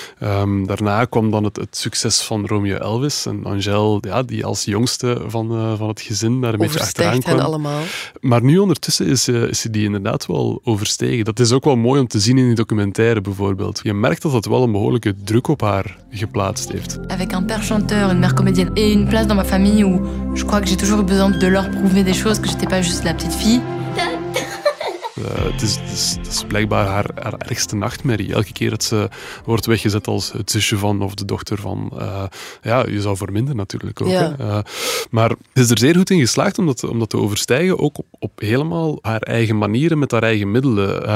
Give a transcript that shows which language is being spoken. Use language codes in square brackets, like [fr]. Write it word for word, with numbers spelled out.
[nl] Um, daarna kwam dan het, het succes van Romeo Elvis en Angel, ja, die als jongste van, uh, van het gezin daar een beetje achteraan kwam. Overstijgt hen allemaal. Maar nu ondertussen is, uh, is ze die inderdaad wel overstegen. Dat is ook wel mooi om te zien in die documentaire bijvoorbeeld. Je merkt dat dat wel een behoorlijke druk op haar geplaatst heeft. [fr] Avec un père chanteur, une mère comédienne et une place dans ma famille où je crois que j'ai toujours eu besoin de leur prouver des choses, que j'étais pas juste la petite fille. [nl] Uh, het, is, het, is, het is blijkbaar haar, haar ergste nachtmerrie. Elke keer dat ze wordt weggezet als het zusje van of de dochter van. Uh, ja, je zou voor minder natuurlijk ook. Ja. Hè? Uh, maar ze is er zeer goed in geslaagd om dat, om dat te overstijgen. Ook op, op helemaal haar eigen manieren, met haar eigen middelen.